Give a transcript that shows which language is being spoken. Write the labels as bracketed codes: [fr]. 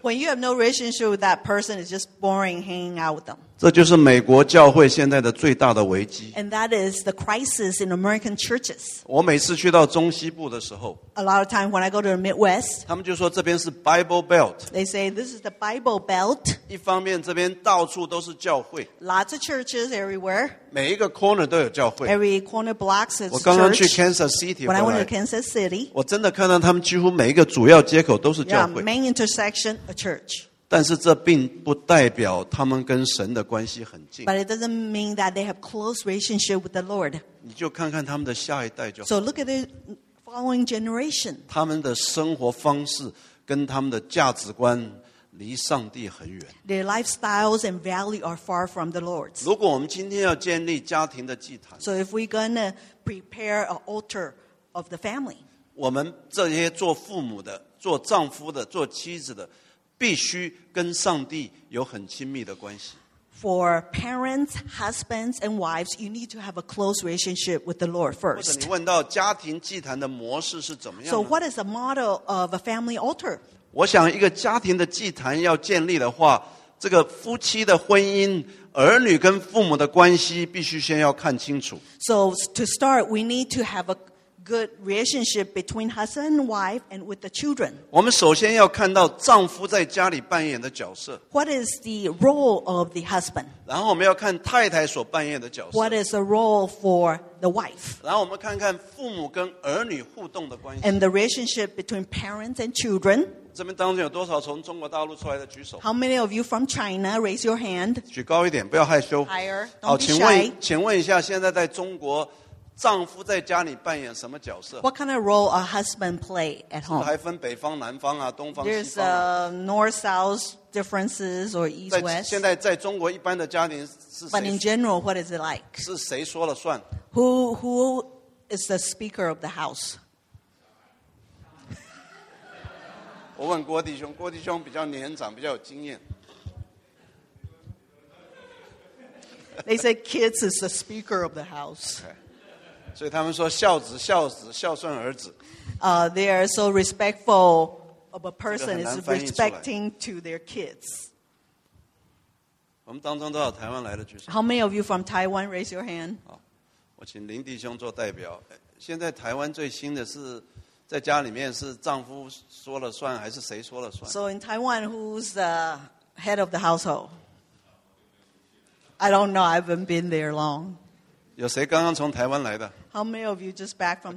[en] When you have no relationship with that person, it's just boring hanging out with them. [zh] 这就是美国教会现在的最大的危机。 [en] And that is the crisis in American churches. [zh] 我每次去到中西部的时候 [en] ，A lot of time when I go to the Midwest, [zh] 他们就说这边是 Bible Belt. [en] They say this is the Bible Belt. [zh] 一方面这边到处都是教会 [en] ，Lots of churches everywhere. [zh] 每一个 corner 都有教会 [en] ，Every corner blocks is church. [zh] 我刚刚去 Kansas City，回来 [en] When I went to Kansas City, [zh] 我真的看到他们。几乎每一个主要接口都是教会 [en] yeah, main intersection, a church. [zh] 但是这并不代表他们跟神的关系很近 [en] But it doesn't mean that they have close relationship with the Lord. [zh] 你就看看他们的下一代就好 [en] So look at the following generation. [zh] 他们的生活方式跟他们的价值观离上帝很远 [en] Their lifestyles and value are far from the Lord's. [zh] 如果我们今天要建立家庭的祭坛 [en] So if we're going to prepare an altar of the family, [zh] 我们这些做父母的、做丈夫的、做妻子的，必须跟上帝有很亲密的关系。 [en] For parents, husbands, and wives, you need to have a close relationship with the Lord first. [zh] 或者你问到家庭祭坛的模式是怎么样的 [en] ？So what is the model of a family altar? [zh] 我想一个家庭的祭坛要建立的话，这个夫妻的婚姻。儿女跟父母的关系必须先要看清楚。 [en] So to start, we need to have a good relationship between husband and wife and with the children. [zh] 我们首先要看到丈夫在家里扮演的角色。 [en] What is the role of the husband? [zh] 然后我们要看太太所扮演的角色。 [en] What is the role for the wife? [zh] 然后我们看看父母跟儿女互动的关系。 [en] And the relationship between parents and children. How many of you from China? Raise your hand. [zh] 举高一点, 不要害羞。 [en] Higher. Don't [zh] 好, [en] be [zh] 请问, [en] shy. [zh] 请问一下, 现在在中国, 丈夫在家里扮演什么角色? [en] What kind of role a husband play at home? [zh] 还分北方南方啊, 东方, [en] There's a north south differences or east west. [zh] 现在在中国一般的家庭是谁, [en] But in general, what is it like? [zh] 是谁说了算? [en] Who is the speaker of the house? [zh] 我问郭弟兄, 郭弟兄比较年长, 比较有经验。 [en] They say kids is the speaker of the house. Okay. [zh] 所以他们说孝子, 孝子, 孝顺儿子。 [en] They are so respectful of a person is respecting to their kids. [zh] 我们当中都有台湾来的举手。 [en] How many of you from Taiwan? Raise your hand. [zh] 我请林弟兄做代表。现在台湾最新的是 在家里面是丈夫说了算还是谁说了算? [en] So in Taiwan, who's the head of the household? I don't know. I haven't been there long. [zh] 有谁刚刚从台湾来的? [en] How many of you just back from Taiwan?